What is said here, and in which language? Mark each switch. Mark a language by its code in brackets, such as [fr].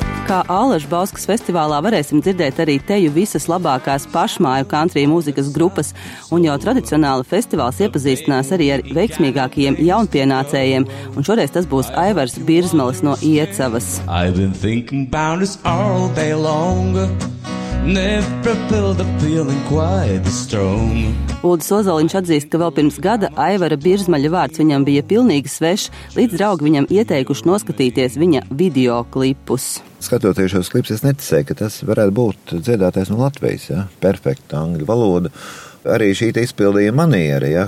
[lv] Kā Alaša Bauskas festivālā varēsim dzirdēt arī teju visas labākās pašmāju country mūzikas grupas, un jau tradicionāli festivāls iepazīstinās arī ar veiksmīgākajiem jaunpienācējiem, un šoreiz tas būs Aivars Birzmalis no Iecavas. [en] I've been thinking about us all day long. Never felt the feeling quite strong. [lv] Uldis Ozoliņš atzīst, ka vēl pirms gada Aivara Birzmaļa vārds viņam bija pilnīgi svešs, līdz draugi viņam ieteikuši noskatīties viņa videoklipus. Skatoties šos klipus, es neticēju, ka tas varētu būt dziedātais no Latvijas, ja? Perfekta angļu valoda. Arī šī te izpildīja maniera, ja?